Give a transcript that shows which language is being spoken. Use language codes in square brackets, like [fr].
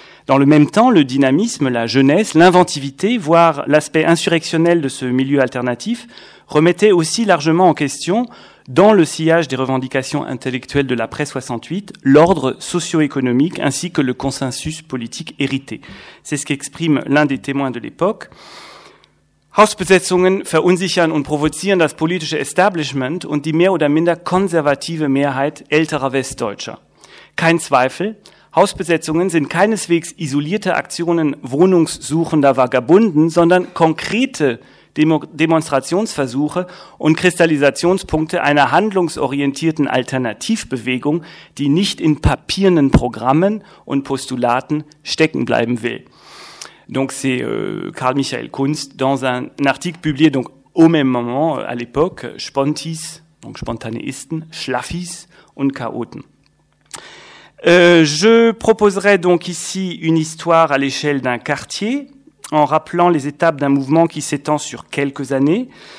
[fr] Dans le même temps, le dynamisme, la jeunesse, l'inventivité, voire l'aspect insurrectionnel de ce milieu alternatif, remettaient aussi largement en question, dans le sillage des revendications intellectuelles de l'après 68, l'ordre socio-économique ainsi que le consensus politique hérité. C'est ce qu'exprime l'un des témoins de l'époque. [de] Hausbesetzungen verunsichern und provozieren das politische Establishment und die mehr oder minder konservative Mehrheit älterer Westdeutscher. Kein Zweifel, Hausbesetzungen sind keineswegs isolierte Aktionen wohnungssuchender Vagabunden, sondern konkrete Demonstrationsversuche und Kristallisationspunkte einer handlungsorientierten Alternativbewegung, die nicht in papiernen Programmen und Postulaten stecken bleiben will. [fr] Donc c'est Karl-Michael Kunst dans un article publié donc au même moment à l'époque, Spontis, donc spontanéisten, [de] Schlaffis und Chaoten. [fr] Je proposerai donc ici une histoire à l'échelle d'un quartier, en rappelant les étapes d'un mouvement qui s'étend sur quelques années.